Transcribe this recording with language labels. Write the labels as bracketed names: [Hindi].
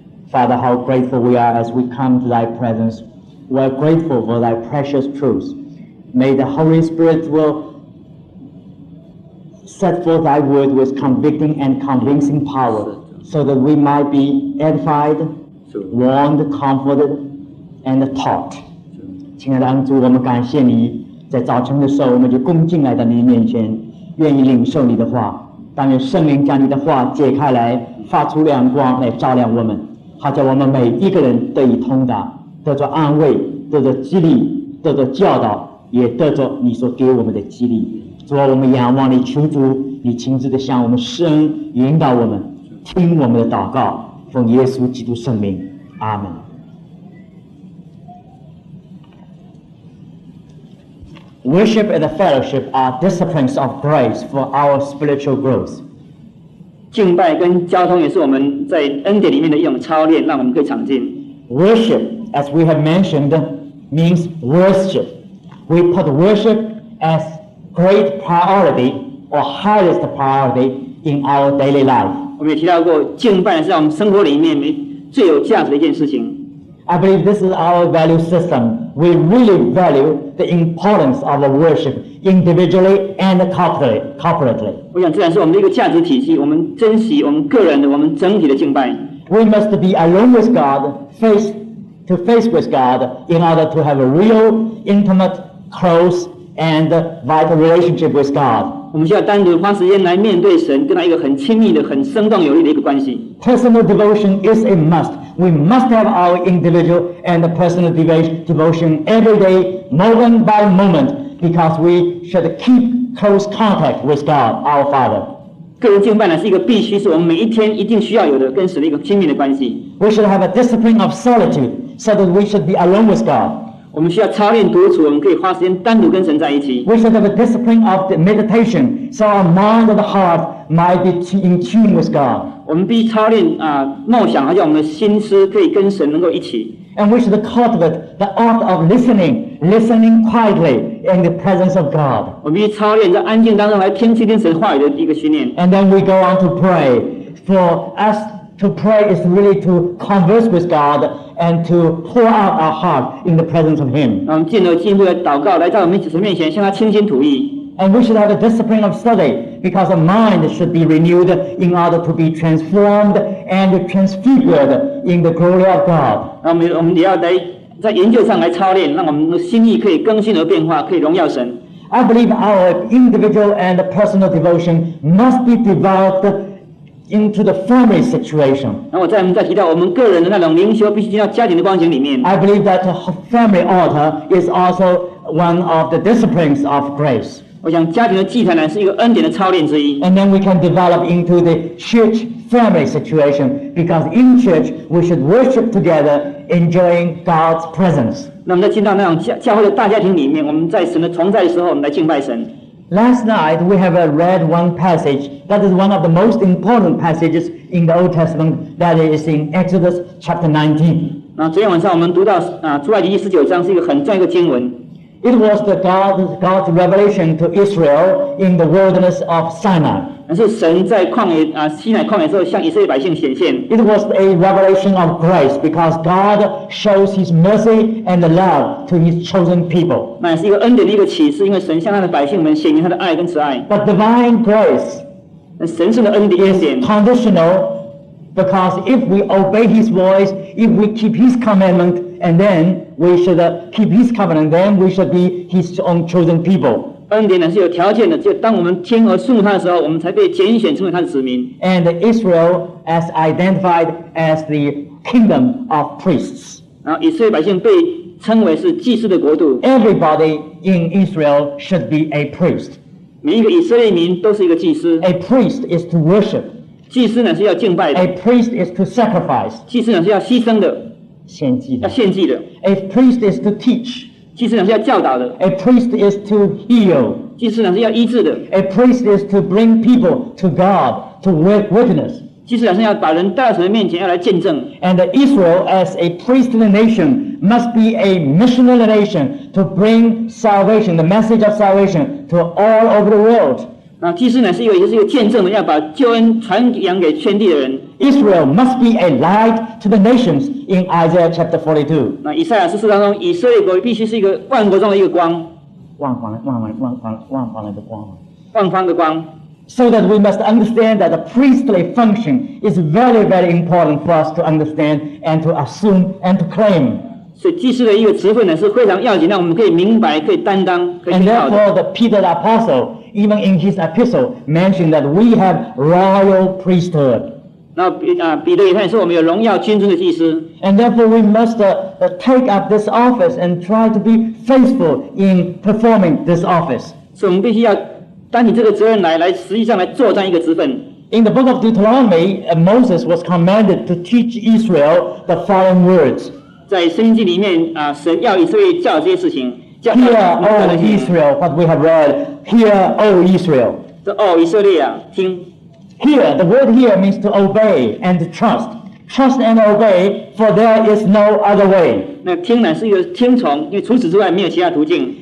[English] Father, how grateful we are as we come to thy presence. We are grateful for thy precious truths. May the Holy Spirit will set forth thy word with convicting and convincing power, so that we might be edified, warned, comforted, and taught. [Chinese] 亲爱的恩主，我们感谢你，在早晨的时候，我们就恭敬来到你面前，愿意领受你的话。但愿圣灵将你的话解开来，发出亮光来照亮我们，好叫我们每一个人得以通达，得着安慰，得着激励，得着教导，也得着你所给我们的激励。主啊，我们仰望你，求主你亲自的向我们施恩，引导我们，听我们的祷告，奉耶稣基督圣名，阿们。 [English] Worship and fellowship are disciplines of grace for our spiritual growth. [Chinese] 敬拜跟交通也是我们在恩典里面的一种操练，让我们可以长进。 [English] Worship, as we have mentioned, means worship. We put worship as great priority or highest priority in our daily life. [Chinese] 我们也提到过，敬拜是在我们生活里面最有价值的一件事情。 [English] I believe this is our value system. We really value the importance of worship individually and corporately. [Chinese] 我想，自然是我们的一个价值体系。我们珍惜我们个人的，我们整体的敬拜。 [English] We must be alone with God, face to face with God, in order to have a real, intimate. Close and vital relationship with God. [Chinese] 我们需要单独花时间来面对神，跟他一个很亲密的、很生动有力的一个关系。 [English] Personal devotion is a must. We must have our individual and personal devotion every day, moment by moment, because we should keep close contact with God, our Father. [Chinese] 个人敬拜呢是一个必须，是我们每一天一定需要有的，跟神的一个亲密的关系。 [English] We should have a discipline of solitude, so that we should be alone with God. [Chinese] 我们需要操练独处，我们可以花时间单独跟神在一起。 [English] We should have a discipline of the meditation, so our mind and heart might be in tune with God. [Chinese] 我们必须操练啊，梦想，好像我们的心思可以跟神能够一起。 [English] And we should cultivate the art of listening quietly in the presence of God. [Chinese] 我们必须操练在安静当中来听清神话语的一个训练。 [English] And then we go on to pray. For us to pray is really to converse with God. And to pour out our heart in the presence of Him. [Chinese] 我们进而进一步的祷告，来到我们主面前，向他倾心吐意。 [English] And we should have a discipline of study, because the mind should be renewed in order to be transformed and transfigured in the glory of God. [Chinese] 那我们也要来在研究上来操练，让我们的心意可以更新而变化，可以荣耀神。 [English] I believe our individual and personal devotion must be developed. Into the family situation. [Chinese] 然后我再提到我们个人的那种灵修必须进到家庭的光景里面。 [English] I believe that family altar is also one of the disciplines of grace. [Chinese] 我想家庭的祭坛呢是一个恩典的操练之一。 [English] And then we can develop into the church family situation because in church we should worship together, enjoying God's presence. [Chinese] 那么在进到那种教会的大家庭里面，我们在神的同在的时候，我们来敬拜神。 [English] Last night we have read one passage that is one of the most important passages in the Old Testament, that is in Exodus chapter 19. [Chinese] 昨天晚上我们读到出埃及记十九章是一个很重要的经文。 [English] It was the God's revelation to Israel in the wilderness of Sinai. [Chinese] 是神在旷野西乃旷野时候向以色列百姓显现。 [English] It was a revelation of grace because God shows His mercy and love to His chosen people. [Chinese] 那是一个恩典的一个启示，因为神向他的百姓们显明他的爱跟慈爱。 [English] But divine grace, [Chinese] 神圣的恩典 [English] is conditional because if we obey His voice, if we keep His commandment, and then. We should keep His covenant, then we should be His own chosen people. [Chinese] 恩典呢是有条件的，就当我们听和顺服他的时候，我们才被拣选成为他的子民。 [English] And Israel as identified as the kingdom of priests. [Chinese] 然后以色列百姓被称为是祭司的国度。 [English] Everybody in Israel should be a priest. [Chinese] 每一个以色列民都是一个祭司。 [English] A priest is to worship. [Chinese] 祭司呢是要敬拜的。 [English] A priest is to sacrifice. [Chinese] 祭司呢是要牺牲的。献祭的，要献祭的。 [English] A priest is to teach. [Chinese] 祭司是要教导的。 [English] A priest is to heal. [Chinese] 祭司是要医治的。 [English] A priest is to bring people to God to witness. [Chinese] 祭司是要把人带到神的面前，要来见证。 [English] And Israel as a priestly nation must be a missional nation to bring salvation, the message of salvation to all over the world. [Chinese] 那祭司是一个见证的，要把救恩传扬给全地的人。 [English] Israel must be a light to the nations in Isaiah chapter 42. [Chinese] 那以赛亚书当中，以色列国必须是一个万国中的一个光，万方的光。 [English] So that we must understand that the priestly function is very, very important for us to understand and to assume and to claim. [Chinese] 所以祭司的一个职分呢是非常要紧，让我们可以明白、可以担当、可以去靠的。 [English] And therefore, the Peter the apostle, even in his epistle, mentioned that we have royal priesthood. [Chinese] 彼得也看是我们有荣耀君尊的祭司。 [English] And therefore we must take up this office and try to be faithful in performing this office. [Chinese] 所以我们必须要担起这个责任来实际上来做这样一个职分。 [English] In the book of Deuteronomy, Moses was commanded to teach Israel the following words. [Chinese] 在圣经里面神要以色列教这些事情。 [English] Hear, O Israel, what we have read. Hear, O Israel. [Chinese] 这哦以色列啊，听。 [English] Here, the word here means to obey and to trust. Trust and obey, for there is no other way. [Chinese] 那听乃是一个听从，因为除此之外没有其他途径。